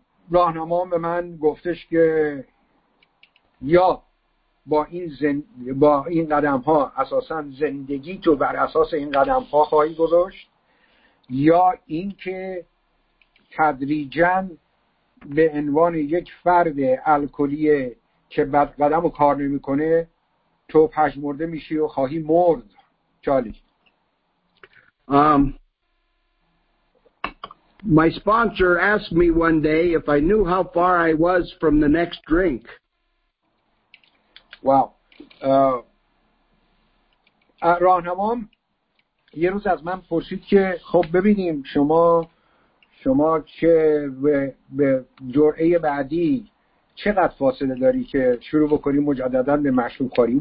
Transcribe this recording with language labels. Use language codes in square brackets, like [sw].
[fa] راهنما به من گفتش که یا با این قدم ها اساسا زندگی تو بر اساس این قدم ها خواهی گذاشت یا اینکه تدریجاً به عنوان یک فرد الکلی که بد قدمو کار نمی‌کنه تو پژمرده میشی و خواهی مرد. چالی. [en] My sponsor asked me one day if I knew how far I was from the next drink. Wow. [fa] راهنمام یه روز از من پرسید که خب ببینیم شما چه به جرعه بعدی چقدر فاصله داری که شروع بکنی مجددا به مشروب خوری.